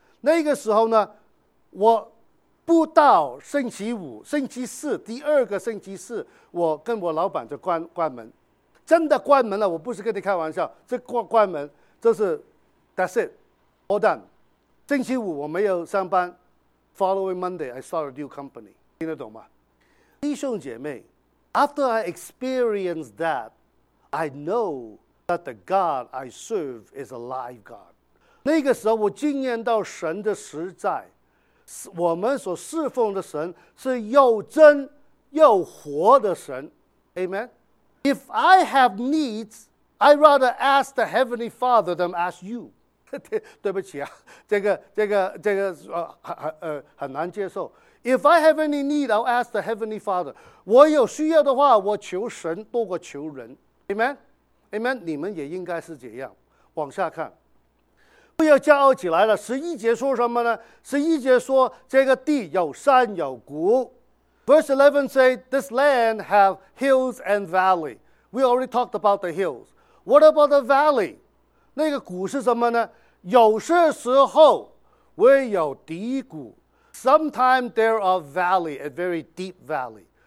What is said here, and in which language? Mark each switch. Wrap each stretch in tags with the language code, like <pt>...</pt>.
<zh>那个时候呢，我不到星期五，星期四，第二个星期四，我跟我老板就关门，真的关门了。我不是跟你开玩笑，这关门，这是</zh> <en>that's it, all done.</en> <zh>星期五我没有上班</zh> <en>，following Monday I start a new company.</en> <zh>听得懂吗？弟兄姐妹</zh> <en>，after I experienced that, I know that the God I serve is a live God.</en> <zh>那个时候我经验到神的实在。我们所侍奉的神是又真又活的神 ，Amen.</zh> <en>If I have needs, I rather ask the Heavenly Father than ask you.</en> <zh>对不起啊，这个很难接受。</zh> <en>If I have any need, I'll ask the Heavenly Father.</en> <zh>我有需要的话，我求神多过求人 ，Amen, Amen. 你们也应该是这样。往下看。不要骄傲起来了。十一节说什么呢？十一节说这个地有山有谷。</zh> <en>Verse 11 say this land have hills and valley. We already talked about the hills. What about the valley?</en> <zh>那个谷是什么呢？有些时候会有低谷。</zh> <en>Sometimes there are valley, a very deep valley.</en>